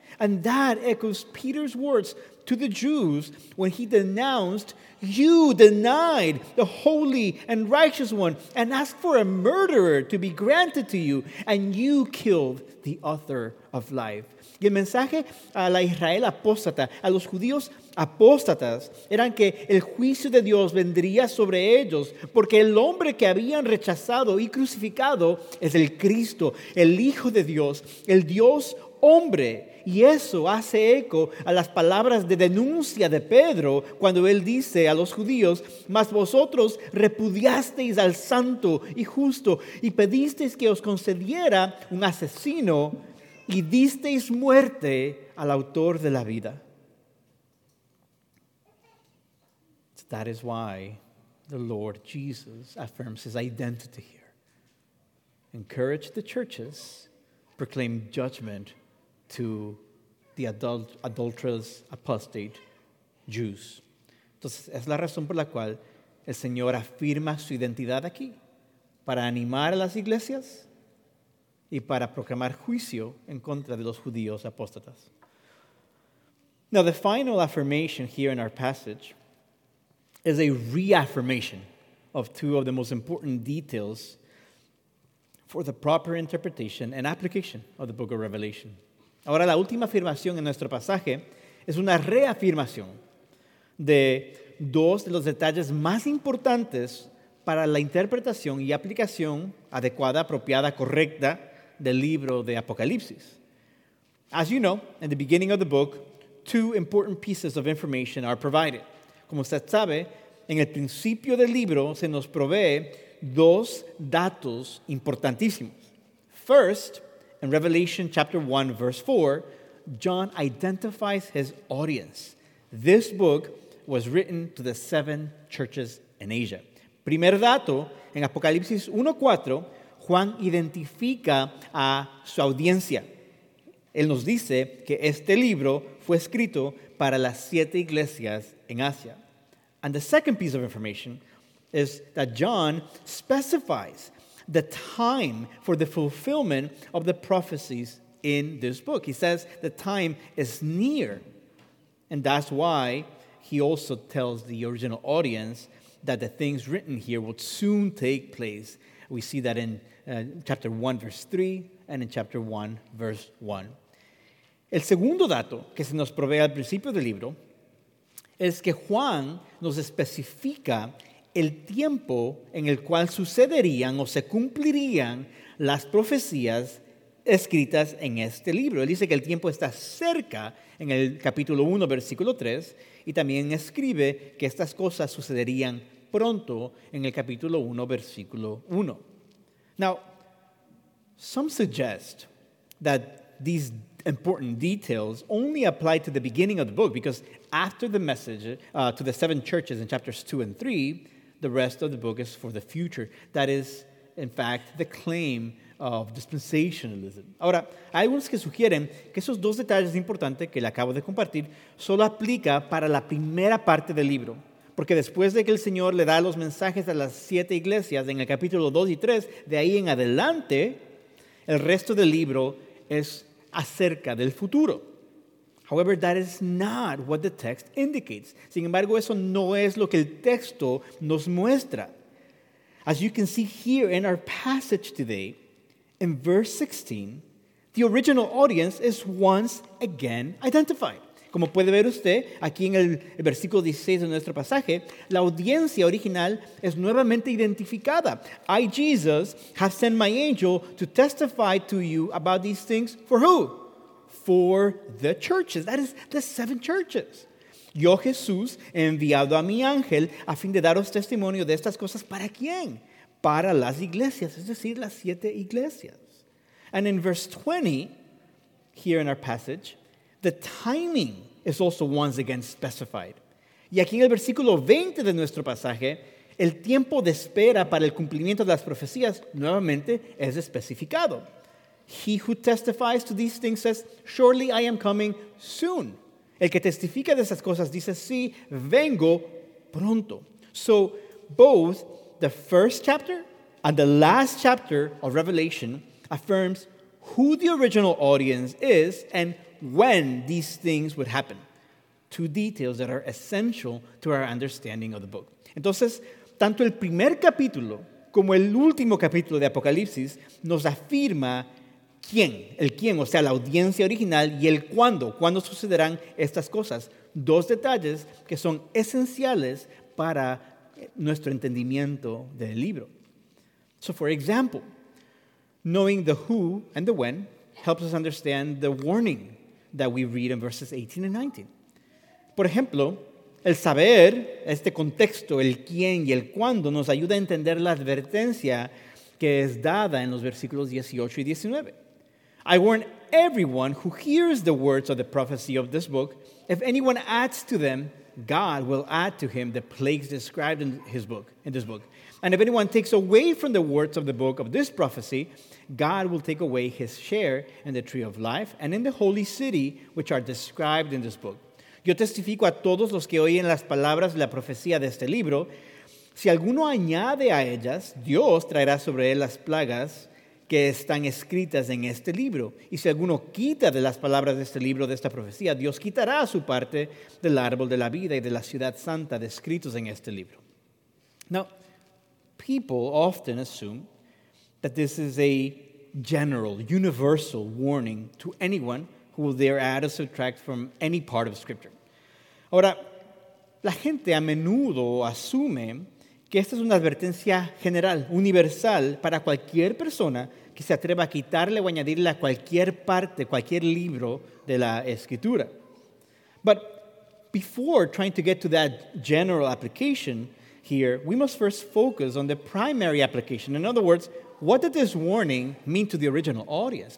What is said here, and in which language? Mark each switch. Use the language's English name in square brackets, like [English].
[English] And that echoes Peter's words to the Jews when he denounced, you denied the Holy and Righteous One and asked for a murderer to be granted to you, and you killed the author of life. [Spanish] Y el mensaje a la Israel apóstata, a los judíos apóstatas, eran que el juicio de Dios vendría sobre ellos porque el hombre que habían rechazado y crucificado es el Cristo, el Hijo de Dios, el Dios hombre. Y eso hace eco a las palabras de denuncia de Pedro cuando él dice a los judíos, mas vosotros repudiasteis al santo y justo y pedisteis que os concediera un asesino y disteis muerte al autor de la vida. [English] So that is why the Lord Jesus affirms his identity here. Encourage the churches, proclaim judgment to the adulterous apostate Jews. [Spanish] Entonces, es la razón por la cual el Señor afirma su identidad aquí, para animar a las iglesias y para proclamar juicio en contra de los judíos apóstatas. [English] Now, the final affirmation here in our passage is a reaffirmation of two of the most important details for the proper interpretation and application of the book of Revelation. [Spanish] Ahora, la última afirmación en nuestro pasaje es una reafirmación de dos de los detalles más importantes para la interpretación y aplicación adecuada, apropiada, correcta del libro de Apocalipsis. [English] As you know, in the beginning of the book, two important pieces of information are provided. [Spanish] Como usted sabe, en el principio del libro se nos provee dos datos importantísimos. [English] First, in Revelation chapter 1, verse 4, John identifies his audience. This book was written to the seven churches in Asia. [Spanish] Primer dato, en Apocalipsis 1:4, Juan identifica a su audiencia. Él nos dice que este libro fue escrito para las siete iglesias en Asia. [English] And the second piece of information is that John specifies the time for the fulfillment of the prophecies in this book. He says the time is near, and that's why he also tells the original audience that the things written here would soon take place. We see that in chapter 1, verse 3, and in chapter 1, verse 1. [Spanish] El segundo dato que se nos provee al principio del libro es que Juan nos especifica el tiempo en el cual sucederían o se cumplirían las profecías escritas en este libro. Él dice que el tiempo está cerca en el capítulo 1, versículo 3, y también escribe que estas cosas sucederían pronto en el capítulo 1, versículo 1. [English] Now, some suggest that these important details only apply to the beginning of the book, because after the message to the seven churches in chapters 2 and 3, the rest of the book is for the future. That is, in fact, the claim of dispensationalism. [Spanish] Ahora, hay algunos que sugieren que esos dos detalles importantes que le acabo de compartir solo aplica para la primera parte del libro. Porque después de que el Señor le da los mensajes a las siete iglesias en el capítulo 2 y 3, de ahí en adelante, el resto del libro es acerca del futuro. [English] However, that is not what the text indicates. [Spanish] Sin embargo, eso no es lo que el texto nos muestra. [English] As you can see here in our passage today, in verse 16, the original audience is once again identified. [Spanish] Como puede ver usted aquí en el versículo 16 de nuestro pasaje, la audiencia original es nuevamente identificada. [English] I, Jesus, have sent my angel to testify to you about these things. For who? For the churches. That is the seven churches. [Spanish] Yo, Jesús, he enviado a mi ángel a fin de daros testimonio de estas cosas. ¿Para quién? Para las iglesias, es decir, las siete iglesias. [English] And in verse 20, here in our passage, the timing is also once again specified. [Spanish] Y aquí en el versículo 20 de nuestro pasaje, el tiempo de espera para el cumplimiento de las profecías nuevamente es especificado. [English] He who testifies to these things says, surely I am coming soon. [Spanish] El que testifica de esas cosas dice, sí, vengo pronto. [English] So both the first chapter and the last chapter of Revelation affirms who the original audience is and when these things would happen. Two details that are essential to our understanding of the book. [Spanish] Entonces, tanto el primer capítulo como el último capítulo de Apocalipsis nos afirma quién, el quién, o sea, la audiencia original y el cuándo sucederán estas cosas. Dos detalles que son esenciales para nuestro entendimiento del libro. [English] So, for example, knowing the who and the when helps us understand the warning that we read in verses 18 and 19. [Spanish] Por ejemplo, el saber este contexto, el quién y el cuándo, nos ayuda a entender la advertencia que es dada en los versículos 18 y 19. [English] I warn everyone who hears the words of the prophecy of this book, if anyone adds to them, God will add to him the plagues described in his book, in this book. And if anyone takes away from the words of the book of this prophecy, God will take away his share in the tree of life and in the holy city, which are described in this book. [Spanish] Yo testifico a todos los que oyen las palabras de la profecía de este libro. Si alguno añade a ellas, Dios traerá sobre él las plagas que están escritas en este libro. Y si alguno quita de las palabras de este libro, de esta profecía, Dios quitará su parte del árbol de la vida y de la ciudad santa descritos en este libro. [English] Now, people often assume that this is a general, universal warning to anyone who will dare add or subtract from any part of Scripture. [Spanish] Ahora, la gente a menudo asume que esta es una advertencia general, universal, para cualquier persona que se atreva a quitarle o añadirle a cualquier parte, cualquier libro de la Escritura. [English] But before trying to get to that general application here, we must first focus on the primary application. In other words, what did this warning mean to the original audience?